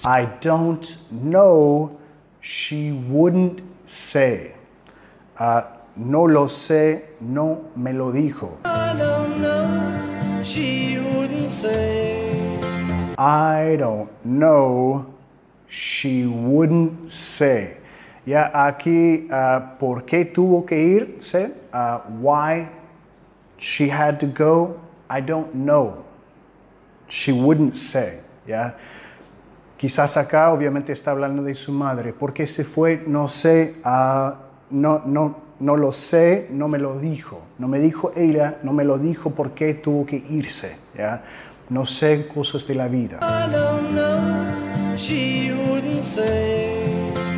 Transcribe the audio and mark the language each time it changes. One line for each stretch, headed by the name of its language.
English: I don't know. She wouldn't say.
Spanish: No lo sé, no me lo dijo.
English: I don't know, she wouldn't say. I don't know, she wouldn't say.
Spanish: Ya aquí, ¿por qué tuvo que irse?
English: Why she had to go? I don't know, she wouldn't say.
Spanish: Ya. Quizás acá, obviamente, está hablando de su madre. ¿Por qué se fue? No sé. No lo sé. No me lo dijo. No me dijo ella. No me lo dijo por qué tuvo que irse. ¿Ya? No sé cosas de la vida.
English: I don't know. She wouldn't say.